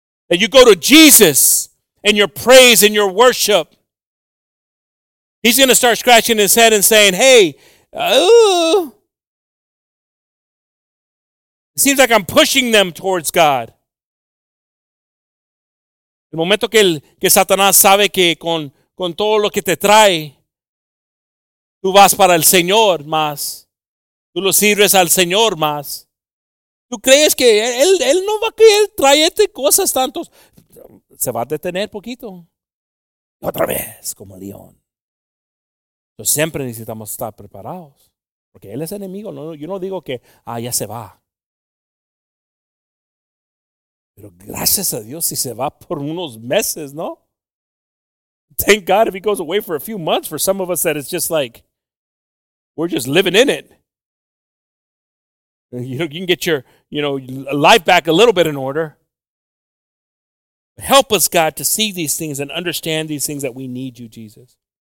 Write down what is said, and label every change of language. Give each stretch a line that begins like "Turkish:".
English: And you go to Jesus in your praise and your worship. He's going to start scratching his head and saying, hey, it seems like I'm pushing them towards God.
Spanish: El momento que Satanás sabe que con todo lo que te trae, tú vas para el Señor más. Tú lo sirves al Señor más. ¿Tú crees que él no va a querer traerte cosas tantos? Se va a detener poquito. Otra vez, como león. Entonces siempre necesitamos estar preparados. Porque él es enemigo. No, yo no digo que, ya se va. Pero gracias a Dios si se va por unos meses, ¿no?
English: Thank God if he goes away for a few months. For some of us that it's just like, we're just living in it. You can get your, life back a little bit in order. Help us, God, to see these things and understand these things that we need you, Jesus.